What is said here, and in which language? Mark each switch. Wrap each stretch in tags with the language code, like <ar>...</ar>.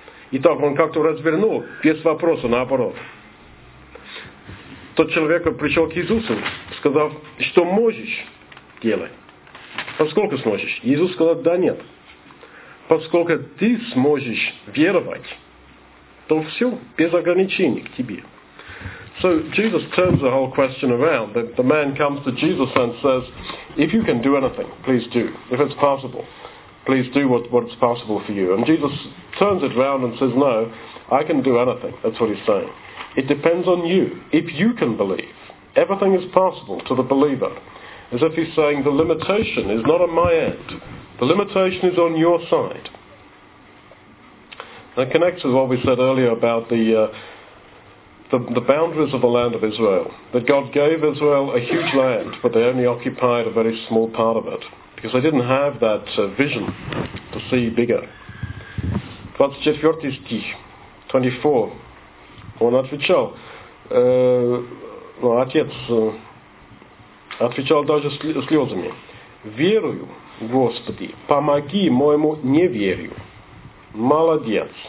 <ru>Итак, он как-то развернул без вопроса наоборот. Тот человек пришел к Иисусу, сказал, что можешь, делай. Поскольку сможешь. Иисус сказал, да нет. Поскольку ты сможешь веровать, то все без ограничений к тебе.</ru> <en>So Jesus turns the whole question around. The man comes to Jesus and says, if you can do anything, please do. If it's possible, please do what's possible for you. And Jesus turns it around and says, no, I can do anything. That's what he's saying. It depends on you. If you can believe, everything is possible to the believer. As if he's saying, the limitation is not on my end. The limitation is on your side. That connects with what we said earlier about the boundaries of the land of Israel, that God gave Israel a huge land, but they only occupied a very small part of it, because they didn't have that vision to see bigger.</en> <ru>24 стих, 24. Он отвечал, отец отвечал даже слезами, верую, Господи, помоги моему неверию. Молодец.</ru>